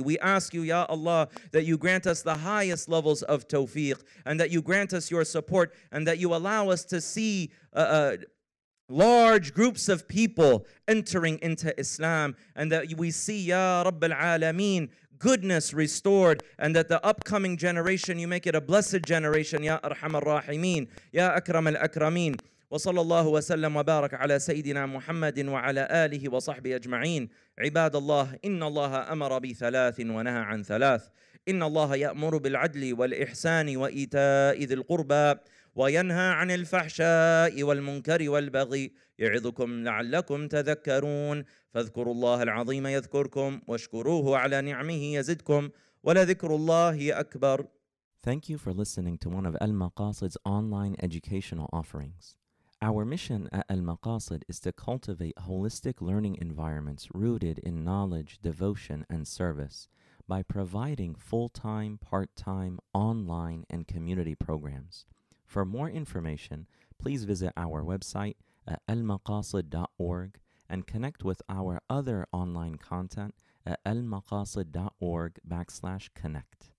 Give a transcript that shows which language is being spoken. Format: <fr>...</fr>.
<en>We ask you, Ya Allah, that you grant us the highest levels of tawfiq and that you grant us your support and that you allow us to see large groups of people entering into Islam and that we see, Ya Rabbil Alameen, goodness restored, and that the upcoming generation, you make it a blessed generation, Ya Arham al-Rahimeen, Ya Akram al-Akrameen.</en> <ar>وصلى الله وسلم وبارك على سيدنا محمد وعلى آله وصحبه أجمعين. عباد الله، إن الله أمر بثلاث ونهى عن ثلاث. إن الله يأمر بالعدل والإحسان وإيتاء ذي القربى وينهى عن الفحشاء والمنكر والبغي يعظكم لعلكم تذكرون. فاذكروا الله العظيم يذكركم واشكروه على نعمه يزدكم ولذكر الله أكبر.</ar> <en>Thank you for listening to one of Al-Maqasid's online educational offerings. Our mission at Al-Maqasid is to cultivate holistic learning environments rooted in knowledge, devotion, and service by providing full-time, part-time, online, and community programs. For more information, please visit our website at almaqasid.org and connect with our other online content at almaqasid.org/connect.</en>